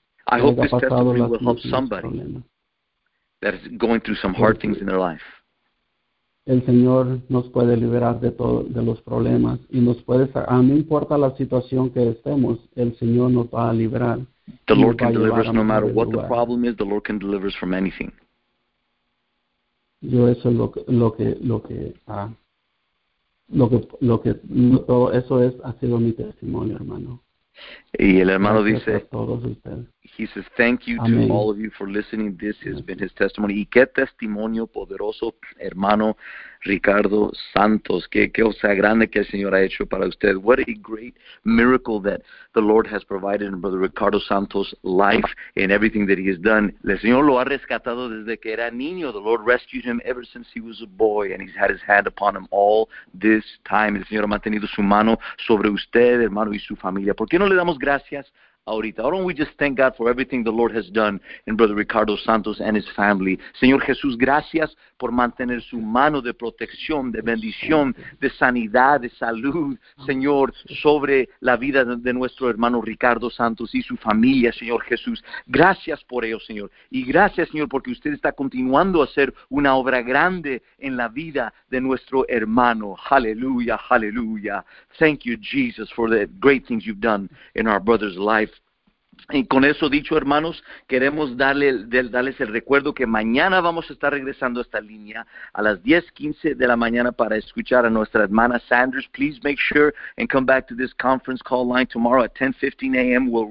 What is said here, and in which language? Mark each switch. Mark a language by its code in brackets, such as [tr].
[en] I hope this testimony will help somebody that is going through some hard things in their life. [es] El Señor nos puede liberar de todo, de los problemas, y nos puede, a no importa la situación que estemos, el Señor nos va a liberar. [en] The Lord can deliver us no matter what the problem is. The Lord can deliver us from anything. [es] Yo eso es lo que eso es, ha sido mi testimonio, hermano. Y el hermano gracias dice, a todos ustedes. [en] He says, thank you [es] Amén. [en] To all of you for listening. This has been his testimony. [es] Y qué testimonio poderoso, hermano Ricardo Santos. Qué cosa grande que el Señor ha hecho para usted. [en] What a great miracle that the Lord has provided in Brother Ricardo Santos' life and everything that he has done. [es] El Señor lo ha rescatado desde que era niño. [en] The Lord rescued him ever since he was a boy, and he's had his hand upon him all this time. [es] El Señor ha mantenido su mano sobre usted, hermano, y su familia. ¿Por qué no le damos gracias ahorita? [en] Why don't we just thank God for everything the Lord has done in Brother Ricardo Santos and his family. [es] Señor Jesús, gracias por mantener su mano de protección, de bendición, de sanidad, de salud, Señor, sobre la vida de nuestro hermano Ricardo Santos y su familia, Señor Jesús. Gracias por ello, Señor. Y gracias, Señor, porque usted está continuando a hacer una obra grande en la vida de nuestro hermano. Aleluya, aleluya. [en] Thank you, Jesus, for the great things you've done in our brother's life. [es] Y con eso dicho, hermanos, queremos darles el recuerdo que mañana vamos a estar regresando a esta línea a las 10:15 de la mañana para escuchar a nuestra hermana Sanders. [en] Please make sure and come back to this conference call line tomorrow at 10:15 a.m.